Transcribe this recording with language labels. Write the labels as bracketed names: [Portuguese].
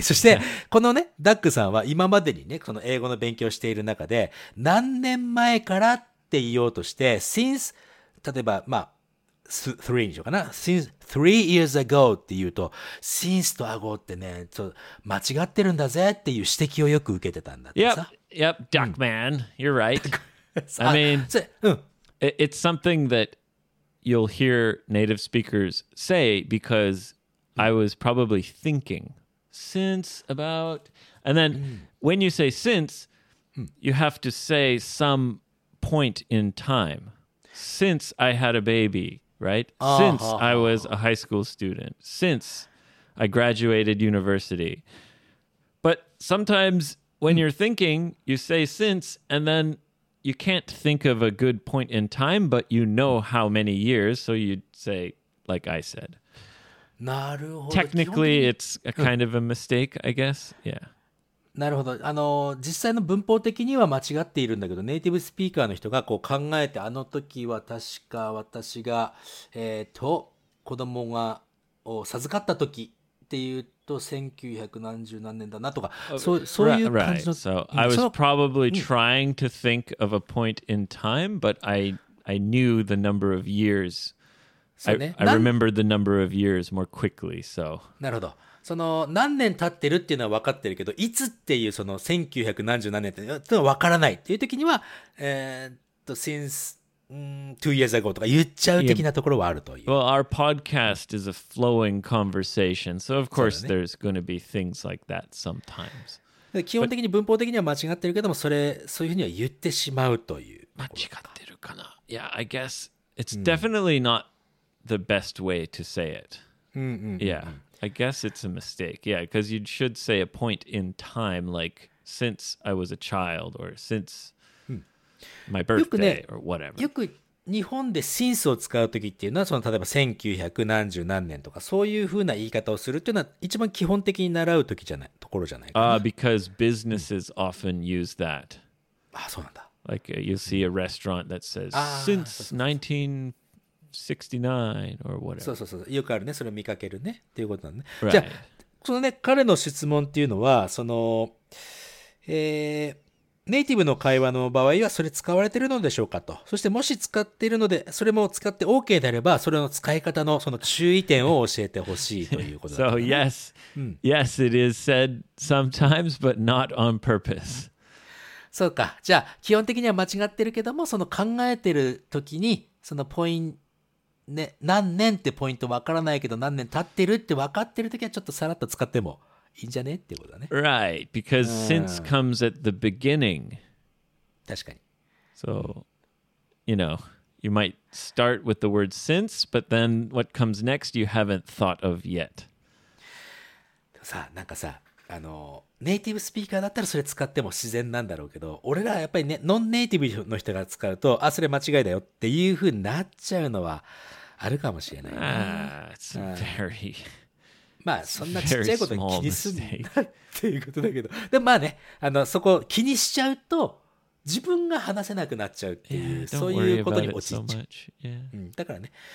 [Japanese] そして、このね、ダックさんは今までにね、その英語の勉強している中で、何年前からって言おうとして、since、例えば、まあ、three にしようかな。 [English] since three years ago [Japanese] って言うと、since と ago ってね、そう、間違ってるんだぜっていう指摘をよく受けてたんだってさ。 [English] Yep, Duckman,、うん、you're right. I mean, it's something that you'll hear native speakers say because I was probably thinking since about... And then、mm. when you say since,、mm. you have to say some point in time. Since I had a baby, right?、Uh-huh. Since I was a high school student. Since I graduated university. But sometimes... When you're thinking, you say since, and then you can't think of a good point in time, but you know how many years, so you'd say, like I said. [Japanese] なるほど。 [English] Technically, it's a kind of a mistake, I guess. Yeah. [Japanese] なるほど。あの、実際の文法的には間違っているんだけど、ネイティブスピーカーの人がこう考えて、あの時は確か私が、子供がを授かった時っていうと、 [English] So I was probably trying to think of a point in time, but I knew the number of years. I remembered the number of years more quickly. So. [Japanese] なるほど。その何年経ってるっていうのは分かってるけど、いつっていうその1900何十何年っていうのは分からないっていう時には、 [English] since two years ago [Japanese] とか言っちゃう的なところはあるという。 [English] Well, our podcast is a flowing conversation, so of course there's going to be things like that sometimes. [Japanese] 基本的に文法的には間違ってるけども、そういうふうには言ってしまうという。間違ってるかな。 [English] Yeah, I guess it's definitely not the best way to say it. Yeah, I guess it's a mistake. Yeah, because you should say a point in time, like since I was a child or since... My birthday [Japanese] よくね、 [English] or whatever. [Japanese] よく日本で since を使うときっていうのは、その例えば1900何十何年とか、そういうふうな言い方をするっていうのは、一番基本的に習うときじゃない、ところじゃないかな。 [English] Because businesses often use that. [Japanese] そうなんだ。 [English] Like you see a restaurant that says, since 1969 or whatever. [Japanese] そう。よくあるね、それを見かけるね、っていうことなんだね。 [English] Right. [Japanese] じゃあ、そのね、彼の質問っていうのは、その、ネイティブの会話の場合はそれ使われているのでしょうかと。そしてもし使っているので、それも使って OK であれば、それの使い方のその注意点を教えてほしいということ [English] だ。So yes,、うん、yes it is said sometimes, but not on purpose. [Japanese] そうか。じゃあ基本的には間違ってるけども、その考えてる時にそのポイントね、何年ってポイントわからないけど何年経ってるって分かってる時はちょっとさらっと使っても。いいんじゃねってことだね。 [English] Right, because since comes at the beginning. [Japanese] 確かに。 [English] So, you know, you might start with the word since, but then what comes next you haven't thought of yet. [Japanese] さ、なんかさ、あの、ネイティブスピーカーだったらそれ使っても自然なんだろうけど、俺らはやっぱりね、ノンネイティブの人が使うと、あ、それ間違いだよっていうふうになっちゃうのはあるかもしれない、 [English] ね。It's very... [Japanese] まあそんなちっちゃいことに気にすんなっていうことだけど、でもまあね、あのそこ気にしちゃうと自分が話せなくなっちゃうっていう、そういうことに陥っちゃう、うん、だからね。